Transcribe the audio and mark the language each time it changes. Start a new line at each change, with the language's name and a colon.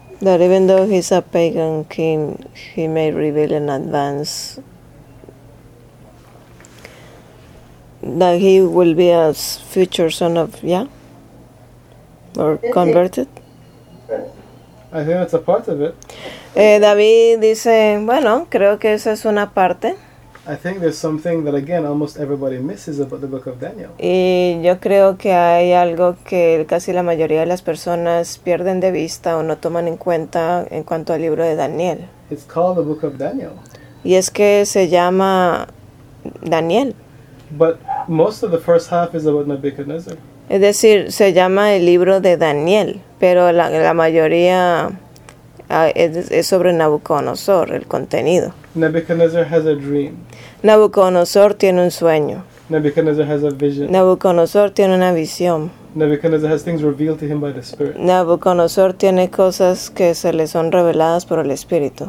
English: That even though he's a pagan king, he may reveal in advance that he will be a future son of Yah, or converted. I think that's a part of it.
Spanish: David dice, bueno, creo que esa es una parte.
English: I think there's something that, again, almost everybody misses about the book of Daniel.
Spanish: Y yo creo que hay algo que casi la mayoría de las personas pierden de vista o no toman en cuenta en cuanto al libro de Daniel.
English: It's called the book of Daniel.
Spanish: Y es que se llama Daniel.
English: But most of the first half is about Nebuchadnezzar.
Spanish: Es decir, se llama el libro de Daniel, pero la mayoría es sobre Nabucodonosor, el contenido.
English: Nebuchadnezzar has a dream.
Spanish: Nabucodonosor tiene un sueño.
English: Nebuchadnezzar has a vision.
Spanish: Nabucodonosor tiene una visión.
English: Nebuchadnezzar has things revealed to him by the Spirit.
Spanish: Nabucodonosor tiene cosas que se le son reveladas por el Espíritu.